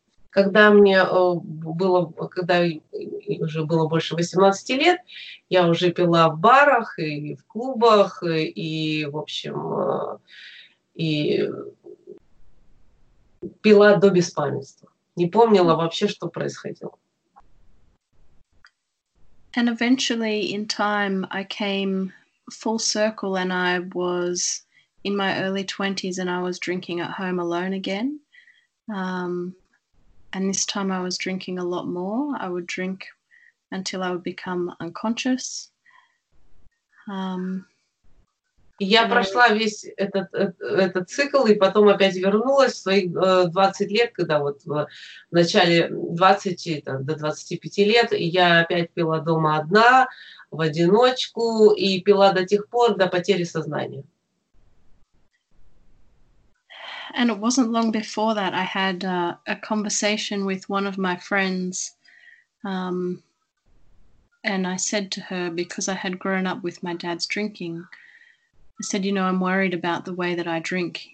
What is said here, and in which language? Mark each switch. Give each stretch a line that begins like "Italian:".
Russian: Когда мне было, когда уже было больше 18 лет, я уже пила в барах и в клубах, и, в общем, и пила до беспамятства. Не помнила вообще, что происходило.
English: And eventually in time I came full circle and I was in my early 20s and I was drinking at home alone again. And this time I was drinking a lot more. I would drink until I would become unconscious.
Russian: Я прошла весь этот цикл и потом опять вернулась в свои 20 лет, когда вот в начале 20, там, до 25 лет, и я опять пила дома одна, в одиночку, и пила до тех пор, до потери сознания.
English: And it wasn't long before that I had a conversation with one of my friends, and I said to her, because I had grown up with my dad's drinking, I said, you know, I'm worried about the way that I drink.